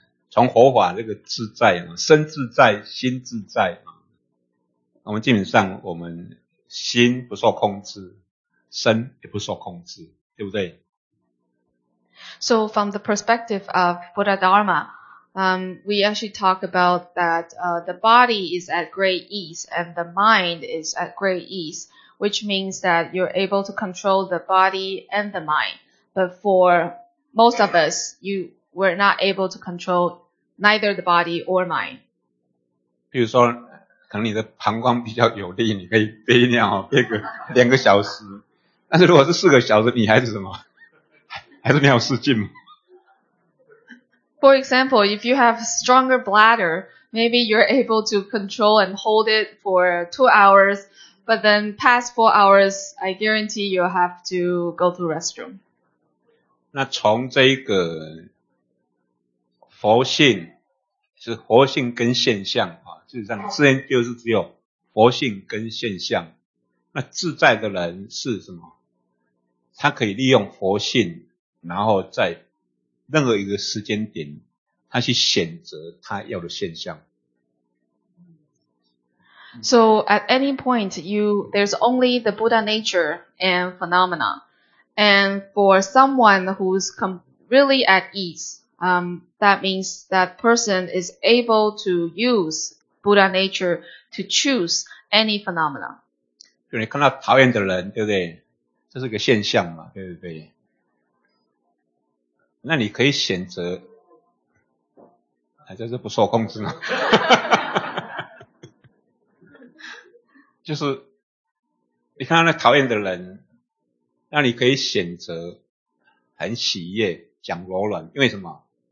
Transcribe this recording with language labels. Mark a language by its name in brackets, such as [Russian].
[Chinese] 从佛法这个自在，身自在，心自在，我们基本上我们心不受控制，身也不受控制，对不对？ [English] So from the perspective of Buddha Dharma, we actually talk about that the body is at great ease and the mind is at great ease, which means that you're able to control the body and the mind. But for most of us, you were not able to control neither the body or mind. [Chinese] 比如说，可能你的膀胱比较有力，你可以憋尿憋个两个小时，但是如果是四个小时，你还是什么？还是没有事情。 [English] For example, if you have stronger bladder, maybe you're able to control and hold it for 2 hours, but then past 4 hours, I guarantee you'll have to go to the restroom. [Chinese] 那从这个佛性、是活性跟现象啊，事实上自然就是只有活性跟现象。那自在的人是什么？他可以利用活性，然后在任何一个时间点，他去选择他要的现象。 [English] So at any point, there's only the Buddha nature and phenomena. And for someone who's really at ease, that means that person is able to use Buddha nature to choose any phenomena. [Chinese] 就你看到讨厌的人，对不对？这是个现象嘛，对不对？那你可以选择，还真是不受控制呢。就是你看到那讨厌的人，那你可以选择很喜悦讲柔软，因为什么？